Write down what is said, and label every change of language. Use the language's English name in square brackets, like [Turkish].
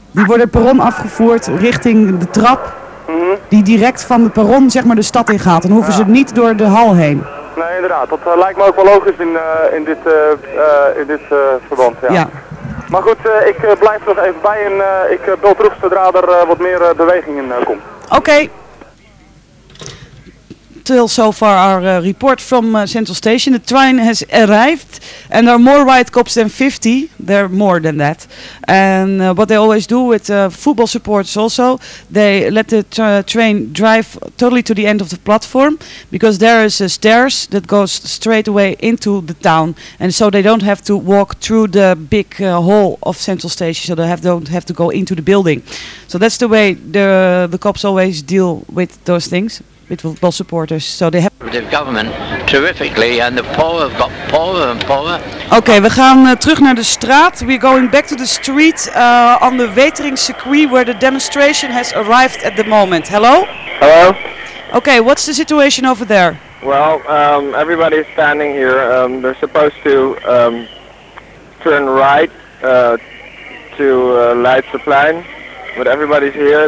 [Dutch] Die worden perron afgevoerd richting de trap, die direct van de perron zeg maar de stad ingaat. Dan hoeven ze niet door de hal heen. Nee, inderdaad. Dat lijkt me ook wel logisch in dit verband. Ja. Ja. Maar goed, ik blijf er nog even bij en ik bel terug zodra er wat meer beweging in komt. Oké. [English] Till so far our report from Central Station. The train has arrived and there are more riot cops than 50. There are more than that. And what they always do with football supporters also, they let the train drive totally to the end of the platform because there is a stairs that goes straight away into the town. And so they don't have to walk through the big hall of Central Station, so they don't have to go into the building. So that's the way the cops always deal with those things. With football supporters, so they have the government terrifically, and the poor have got poorer and poorer. [Dutch] Okay, we gaan terug naar de straat. [English] We're going back to the street on the Wetering Circuit, where the demonstration has arrived at the moment. Hello. Hello. Okay, what's the situation over there? Well, everybody is standing here. They're supposed to turn right to Leidseplein, but everybody's here.